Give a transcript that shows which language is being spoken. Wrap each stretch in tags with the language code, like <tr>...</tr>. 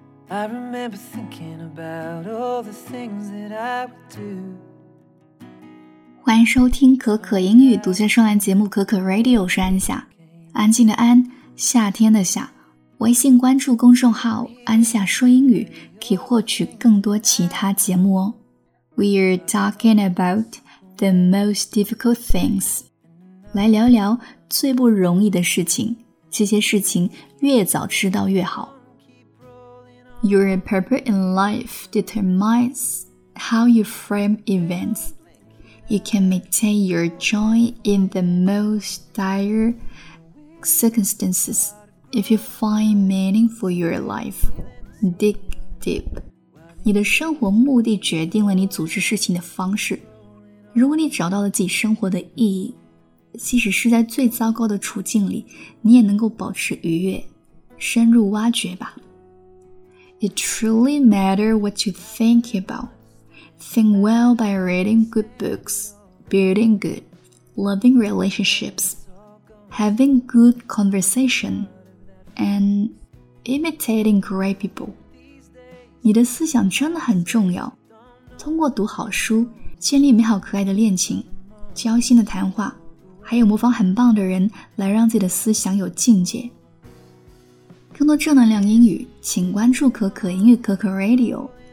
<en>I remember thinking about all the things that I would do。</en> <zh>欢迎收听可可英语独家专栏节目可可 Radio， 我是安夏，安静的安，夏天的夏。微信关注公众号安夏说英语，可以获取更多其他节目哦。</zh> <en>We're talking about the most difficult things，</en> <zh>来聊聊最不容易的事情，这些事情越早知道越好。</zh> <en>Your purpose in life determines how you frame events. You can maintain your joy in the most dire circumstances if you find meaning for your life. Dig deep.</en> <zh>你的生活目的决定了你组织事情的方式。如果你找到了自己生活的意义，即使是在最糟糕的处境里，你也能够保持愉悦。深入挖掘吧。</zh> <en>It truly matters what you think about. Think well by reading good books, building good, loving relationships, having good conversation, and imitating great people.</en> <zh>你的思想真的很重要。通过读好书，建立美好可爱的恋情，交心的谈话，还有模仿很棒的人来让自己的思想有境界。更多正能量英语，请关注可可英语可可 Radio。</zh>